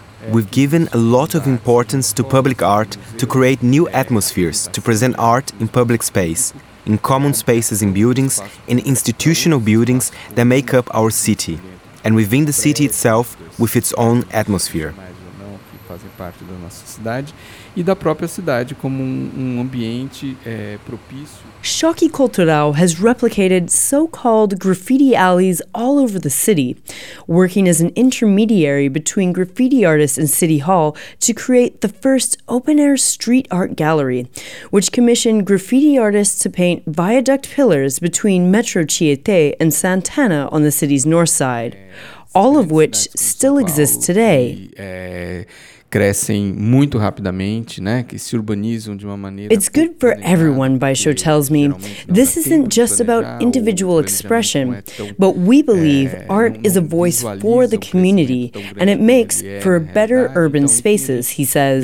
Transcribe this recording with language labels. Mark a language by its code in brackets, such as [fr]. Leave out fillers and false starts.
[en] We've given a lot of importance to public art to create new atmospheres to present art in public space, in common spaces in buildings, in institutional buildings that make up our city, and within the city itself with its own atmosphere. [pt] Fazem parte da nossa cidade e da própria cidade como um ambiente propício. [en] Choque Cultural has replicated so-called graffiti alleys all over the city, working as an intermediary between graffiti artists and City Hall to create the first open-air street art gallery, which commissioned graffiti artists to paint viaduct pillars between Metro Tietê and Santana on the city's north side, all of which still exist today. [pt] Crescem muito rapidamente, né? Que se urbanizam de uma maneira. [en] It's good for everyone, Baixo tells me. This isn't just about individual expression, but we believe art is a voice for the community and it makes for better urban spaces, he says.